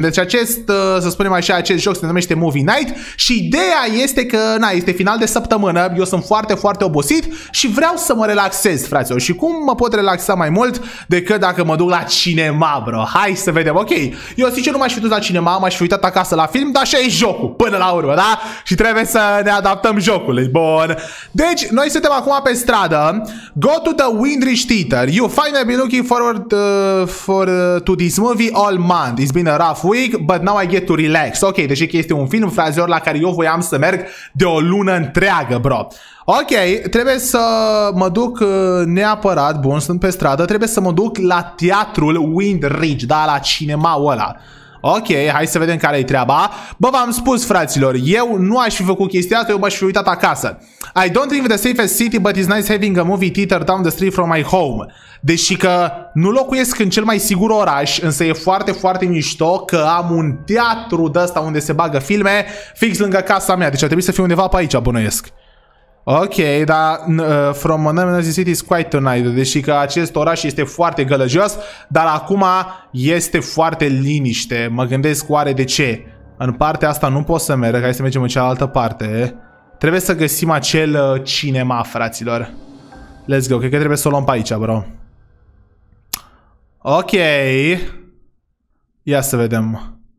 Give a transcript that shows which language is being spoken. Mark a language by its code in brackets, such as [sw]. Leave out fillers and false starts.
[ro] Deci să spunem așa, acest joc se numește Movie Night și ideea este că, na, este final de săptămână, eu sunt foarte, foarte obosit și vreau să mă relaxez, fraților, și cum mă pot relaxa mai mult decât dacă mă duc la cinema, bro? Hai să vedem, ok. Eu, sincer, nu m-aș fi dus la cinema, m-aș fi uitat acasă la film, dar așa e jocul, până la urmă, da? Și trebuie să ne adaptăm jocului, bun. Deci, noi suntem acum pe stradă. [en] Go to the Windridge Theater. You find I've been looking forward to this movie all month. It's been a rough week, but now I get to relax. [ro] Ok, deci este un film, fraților, la care eu voiam să merg de o lună întreagă, bro. Ok, trebuie să mă duc neapărat, bun, sunt pe stradă, trebuie să mă duc la teatrul Windridge, da, la cinemaul ăla. Ok, hai să vedem care-i treaba. Bă, v-am spus, fraților, eu nu aș fi făcut chestia asta, eu m-aș fi uitat acasă. [en] I don't live in the safest city, but it's nice having a movie theater down the street from my home. [ro] Deși că nu locuiesc în cel mai sigur oraș, însă e foarte, foarte mișto că am un teatru de-asta unde se bagă filme fix lângă casa mea. Deci ar trebui să fiu undeva pe aici, bănuiesc. Ok, dar [en] from another city is quite tonight. [ro] Deși că acest oraș este foarte gălăgios, dar acum este foarte liniște. Mă gândesc oare de ce. În partea asta nu pot să merg, hai să mergem în cealaltă parte. Trebuie să găsim acel cinema, fraților. [en] Let's go, [ro] cred că trebuie să o luăm pe aici, bro. Ok. Ia să vedem.